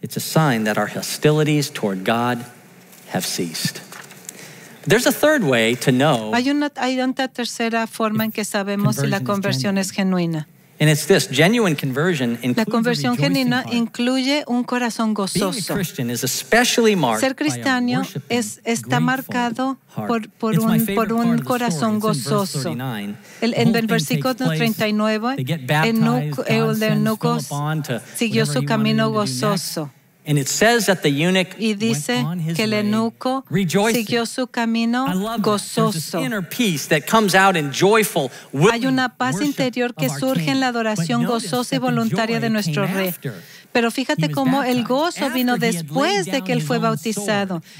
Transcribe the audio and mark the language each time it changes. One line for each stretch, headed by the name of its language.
English: It's a sign that our hostilities toward God have ceased. There's a third way to know.
Spanish: Hay una tercera forma en que sabemos si la conversión es genuina.
English: And it's this genuine conversion includes
Spanish: La conversión genuina incluye un corazón gozoso.
English: Being a Christian is especially marked
Spanish: Ser cristiano está marcado por un corazón gozoso. En el versículo 39, el eunuco siguió su camino gozoso.
English: And it says that the eunuch
Spanish: y dice
English: went on his
Spanish: que el eunuco siguió su camino gozoso.
English: Inner peace that comes out in joyful,
Spanish: Hay una paz interior que surge en la adoración gozosa y voluntaria de nuestro rey. Pero fíjate cómo el gozo vino después de que él fue bautizado.